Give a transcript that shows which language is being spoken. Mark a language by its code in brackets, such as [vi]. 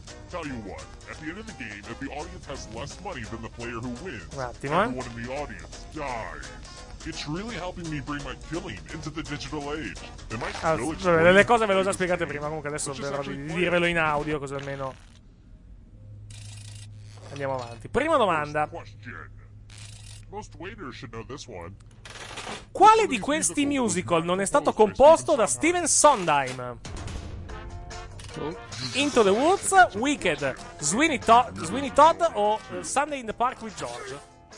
[en] Tell you what, at the end of the game, if the audience has less money than the player who wins, everyone in the audience dies. It's really helping me bring my killing into the digital age. [it] Le cose ve le ho già spiegate prima, comunque adesso verrò di dirvelo in audio, così almeno andiamo avanti. Prima domanda. [en] Most waiters should know this one. [it] Quale di questi musical non è stato composto da Steven Sondheim? Into the Woods, Wicked, Sweeney Todd o Sunday in the Park with George?